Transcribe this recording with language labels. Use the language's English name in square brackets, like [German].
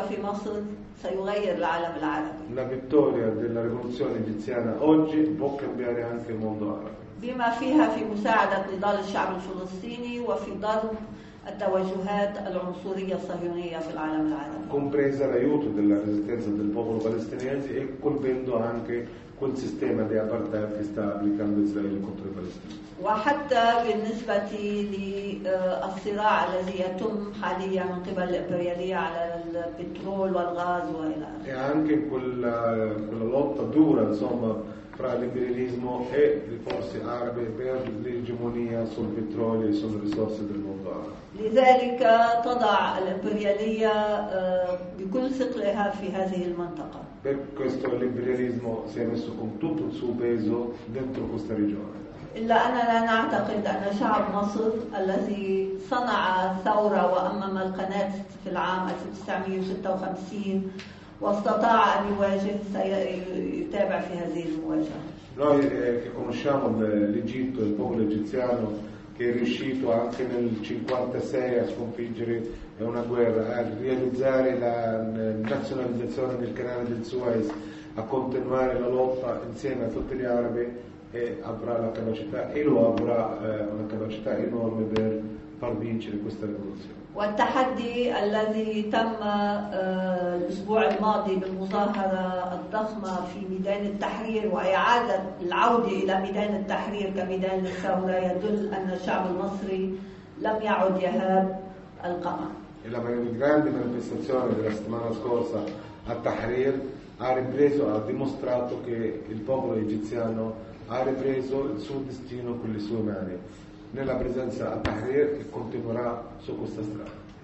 [Italian] La vittoria della rivoluzione egiziana oggi può cambiare anche il mondo arabo. [Arabic] بما فيها في مساعدة نضال الشعب الفلسطيني وفي ضرب التوجهات العنصرية الصهيونية في العالم العربي. [Italian] Compresa l'aiuto della resistenza del popolo palestinese e colpendo anche quel sistema di apartheid che sta applicando Israele contro i palestinesi. [Arabic] وحتى بالنسبة للصراع الذي يتم حاليا من قبل الإمبريالية على البترول والغاز وإلى آخره. [Italian] E anche quella lotta dura, insomma, fra l'imperialismo e le forze arabe per l'egemonia sul petrolio e sulle risorse del mondo arabo. [Arabic] لذلك تضع الإمبريالية بكل ثقلها في هذه المنطقة. [Italian] Per questo l'imperialismo si è messo con tutto il suo peso dentro questa regione. [Arabic] إلا أننا نعتقد أن شعب مصر الذي صنع ثورة وأمم القناة في العام 1956 واستطاع أن يواجه سيتابع في هذه المواجهة. [Italian] Noi che conosciamo l'Egitto, il popolo egiziano che è riuscito anche nel 56 a sconfiggere una guerra, a realizzare la nazionalizzazione del canale del Suez, a continuare la lotta insieme a tutti gli arabi, e avrà la capacità e lo avrà una capacità enorme per far vincere questa rivoluzione. [Arabic] والتحدي الذي تم الأسبوع الماضي بالمظاهرة الضخمة في ميدان التحرير وإعادة العودة إلى ميدان التحرير كميدان الثورة يدل أن الشعب المصري لم يعد يهاب القمع. [Italian] e la grande manifestazione della settimana scorsa a Tahrir ha dimostrato che il popolo egiziano ha ripreso il suo destino con le sue mani, nella presenza a Tahrir, che continuerà su questa strada.